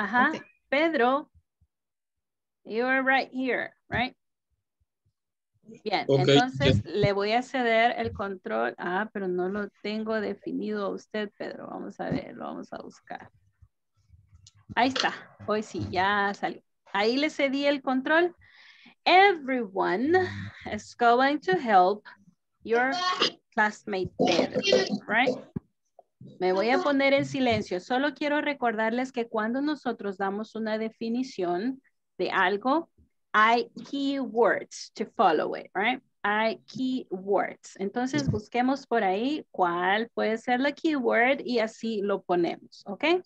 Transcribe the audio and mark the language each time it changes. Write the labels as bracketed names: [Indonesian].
[English] ajá. Okay. Pedro. You are right here, right? Bien, okay. Entonces yeah. [Spanish] Le voy a ceder el control. Ah, pero no lo tengo definido a usted, Pedro. Vamos a ver, lo vamos a buscar. Ahí está. Hoy sí, ya salió. Ahí le cedí el control. [English] everyone is going to help your classmate there, right? [Spanish] Me voy a poner en silencio. Solo quiero recordarles que cuando nosotros damos una definición de algo, hay keywords [English] to follow it, right? [Spanish] Hay keywords. Entonces busquemos por ahí cuál puede ser la keyword y así lo ponemos, ¿ok?